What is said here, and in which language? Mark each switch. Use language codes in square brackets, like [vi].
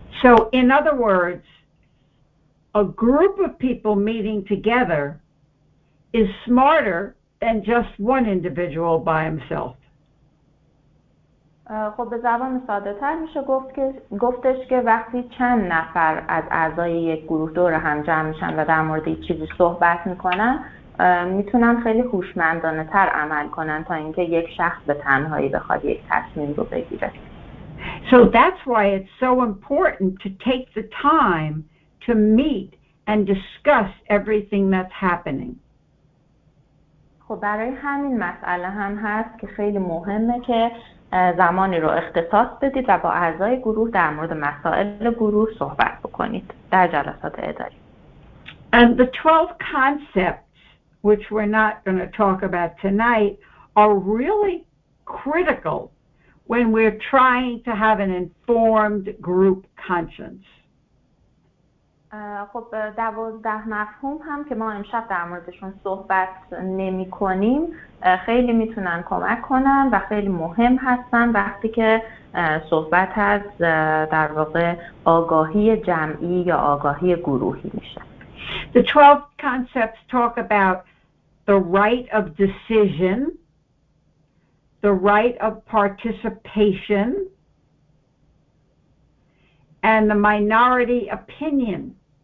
[en] So in other words, a group of people meeting together is smarter than just one individual by himself. [fa] خب به زبان ساده تر میشه گفتش که وقتی چند نفر از اعضای یک گروه دور هم جمع میشن و در مورد یک چیزی صحبت میکنن میتونن خیلی هوشمندانه تر عمل کنن تا اینکه یک شخص به تنهایی بخواد یک تصمیم رو بگیره. [en] So that's why it's so important to take the time to meet and discuss everything that's happening. [fa] خب برای همین مسئله هم هست که خیلی مهمه که زمانی رو اختصاص بدید و با اعضای گروه در مورد مسائل گروه صحبت بکنید در جلسات اداری. [en] And the 12 concepts, which we're not going to talk about tonight, are really critical when we're trying to have an informed group conscience. [fa] خب 12 مفهوم هم که ما امشب در موردشون صحبت نمی کنیم خیلی میتونن کمک کنن و خیلی مهم هستن وقتی که صحبت از در واقع آگاهی جمعی یا آگاهی گروهی میشه. [en] The 12 concepts talk about the right of decision, the right of participation, and the minority opinion.